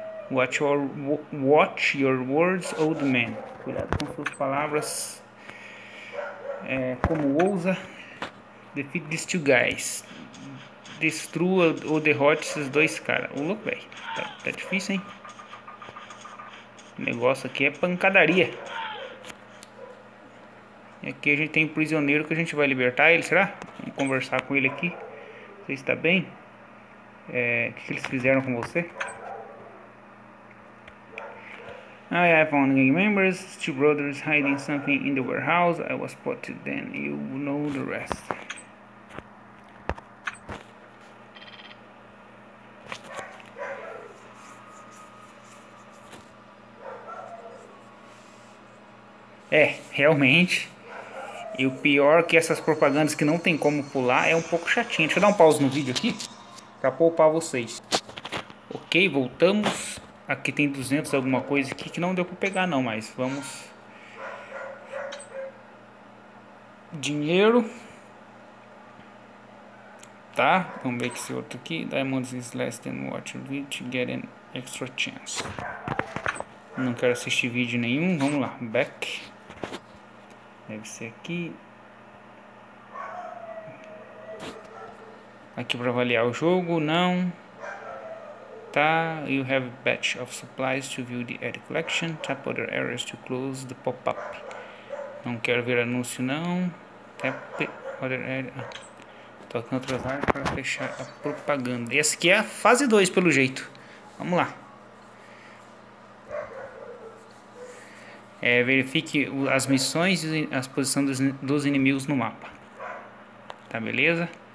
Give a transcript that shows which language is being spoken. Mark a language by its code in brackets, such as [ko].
[en] Watch your words, old man. [pt] Cuidado com suas palavras. Como ousa. [en] Defeat these two guys. [pt] Destrua ou derrote esses dois caras. O louco, velho. Tá difícil, hein? O negócio aqui é pancadaria. E aqui a gente tem um prisioneiro que a gente vai libertar ele, será? Vamos conversar com ele aqui. Você está bem? O que eles fizeram com você? [en] I found gang members, two brothers hiding something in the warehouse. I was spotted then. You know the rest. [pt] Realmente. E o pior que essas propagandas que não tem como pular é um pouco chatinho. Deixa eu dar um pause no vídeo aqui pra poupar vocês. Ok, voltamos. Aqui tem 200 alguma coisa aqui que não deu pra pegar não, mas vamos. Dinheiro. Tá, vamos ver esse outro aqui. [en] Diamonds is less than what you need to get an extra chance. [pt] Não quero assistir vídeo nenhum, vamos lá, back. Deve ser aqui. Aqui pra avaliar o jogo, não. [en] Tá, you have a batch of supplies to view the ad collection. Tap other areas to close the pop-up. [pt] Não quero ver anúncio, não. [en] Tap other area. [pt] Toque em outras áreas para fechar a propaganda. Essa aqui é a fase 2, pelo jeito. Vamos lá. Verifique as missões e as posições dos inimigos no mapa. Tá, beleza?